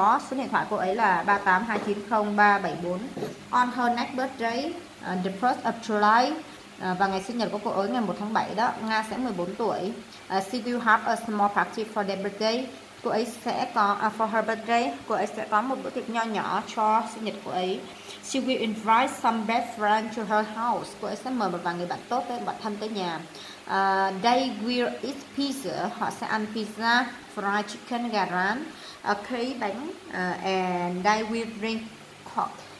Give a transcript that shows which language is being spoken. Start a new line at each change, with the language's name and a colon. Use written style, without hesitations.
Vietnamese: Số điện thoại cô ấy là 38290374.
English: On her next birthday, the 1st of July,
Vietnamese: và ngày sinh nhật của cô ấy ngày 1 tháng 7 đó, Nga sẽ 14 tuổi.
English: She will have a small party for their birthday.
Vietnamese: Cô ấy sẽ có
English: for her birthday,
Vietnamese: cô ấy sẽ có một bữa tiệc nho nhỏ cho sinh nhật của ấy.
English: She will invite some best friend to her house.
Vietnamese: Cô ấy sẽ mời một vài người bạn tốt, bạn thân tới nhà.
English: They will eat pizza.
Vietnamese: Họ sẽ ăn pizza,
English: fried chicken,
Vietnamese: gà rán, cây bánh,
English: and they will drink coke.